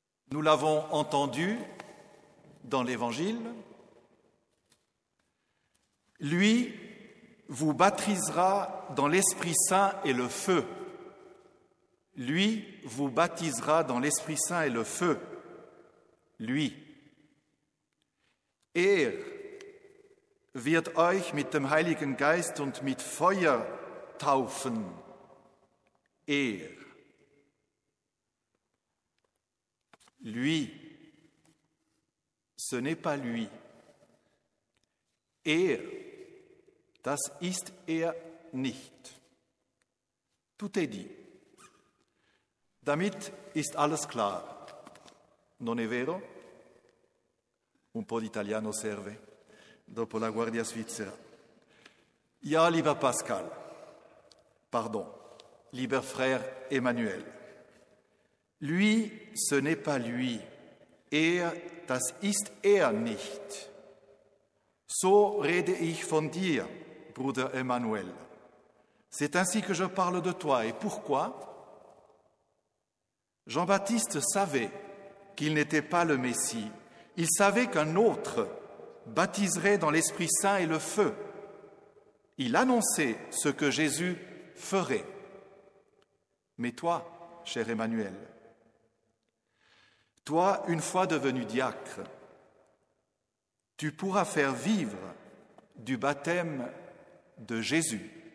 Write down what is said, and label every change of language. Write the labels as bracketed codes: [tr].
[fr] Nous l'avons entendu dans l'Évangile. Lui vous baptisera dans l'Esprit Saint et le feu. Lui vous baptisera dans l'Esprit Saint et le feu. Lui. [de] Er wird euch mit dem Heiligen Geist und mit Feuer taufen. Er. [fr] Lui, ce n'est pas lui. [de] Er, das ist er nicht. [fr] Tout est dit. [de] Damit ist alles klar. [it] Non è vero? Un po' di italiano serve. Dopo la Guardia Svizzera. [de] Ja, lieber Pascal. Pardon. Lieber Frère Emmanuel. [fr] Lui, ce n'est pas lui. [de] Er, das ist er nicht. So rede ich von dir, Bruder Emmanuel. [fr] C'est ainsi que je parle de toi. Et pourquoi? Jean-Baptiste savait qu'il n'était pas le Messie. Il savait qu'un autre baptiserait dans l'Esprit Saint et le feu. Il annonçait ce que Jésus ferait. Mais toi, cher Emmanuel, toi, une fois devenu diacre, tu pourras faire vivre du baptême de Jésus.